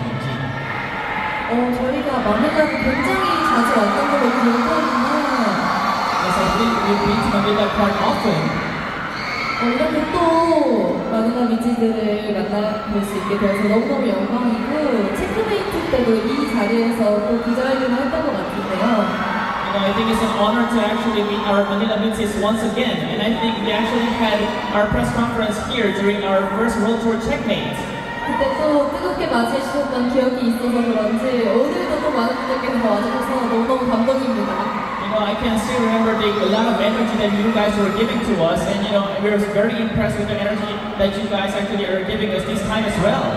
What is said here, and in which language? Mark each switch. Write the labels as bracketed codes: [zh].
[ko] 어느 날 굉장히 자주 왔던 걸로 기억하는데 그래서 [en] we've been to Manila quite often. [ko] 이렇게 또 마닐라 비치들을 만나 볼 수 있게 돼서 너무너무 영광이고 체크메이트 때도 이 자리에서 또 기자회견을 했던 것 같은데요. [en] I think it's an honor to actually meet our Manila Mitzis once again. And I think we actually had our press conference here during our first World Tour checkmate. [ko] 그때 또 뜨겁게 맞이하셨던 기억이 있어서 그런지 오늘도 또 많은 분들께서 와주셔서 너무너무 감동입니다. [en] You know, I can still remember the lot of energy that you guys were giving to us. And you know, we were very impressed with the energy that you guys actually are giving us this time as well.